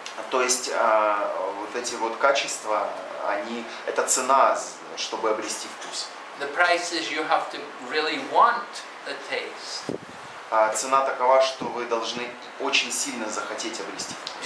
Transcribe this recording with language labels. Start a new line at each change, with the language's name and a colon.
Russian: То есть вот эти вот качества, они это цена, чтобы обрести вкус.
English: The price is you have to really want the taste.
Russian: Цена такова, что вы должны очень сильно захотеть обрести вкус.